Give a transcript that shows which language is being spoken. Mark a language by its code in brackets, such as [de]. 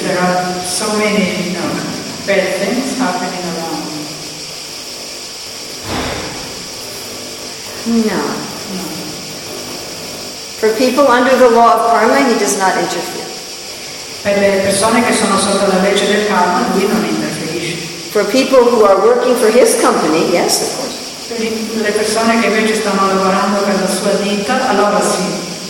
[en] There are so many, you know, bad things happening around. No. For people under the law of karma, he does not interfere. [it] Per le persone che sono sotto la legge del karma, lui non interfere. [en] For people who are working for his company, yes, of course. [it] Per le persone che invece stanno lavorando per la sua ditta, allora sì.